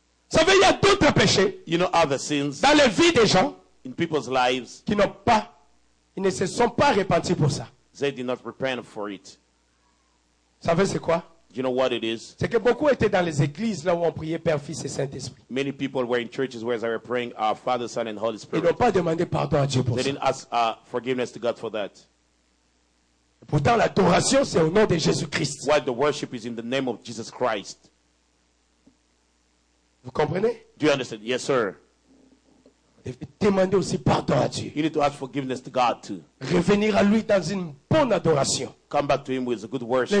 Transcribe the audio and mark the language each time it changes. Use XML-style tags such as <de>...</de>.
<fr>Vous savez, il y a d'autres péchés.</fr> <en>You know other sins.</en> <fr>Dans la vie des gens.</fr> <en>In people's lives.</en> <fr>Qui n'ont pas. Ils ne se sont pas repentis pour ça.</fr> <en>They did not repent for it.</en> <fr>Vous savez c'est quoi?</fr> <en>You know what it is?</en> <fr>C'est que beaucoup étaient dans les églises là où on priait Père, Fils et Saint-Esprit.</fr> <en>Many people were in churches where they were praying our Father, Son and Holy Spirit.</en> <fr>Ils n'ont pas demandé pardon à Dieu pour</fr> <en>they</en> <fr>ça.</fr> <en>They didn't ask forgiveness to God for that.</en> <fr>Pourtant l'adoration c'est au nom de Jésus-Christ.</fr> <en>While the worship is in the name of Jesus Christ.</en> <fr>Vous comprenez?</fr> <en>Do you understand? Yes, sir.</en> <fr>Demander aussi pardon à Dieu.</fr> <en>You need to ask forgiveness to God too.</en> <fr>Revenir à lui dans une bonne adoration.</fr> <en>Come back to him with a good worship.</en>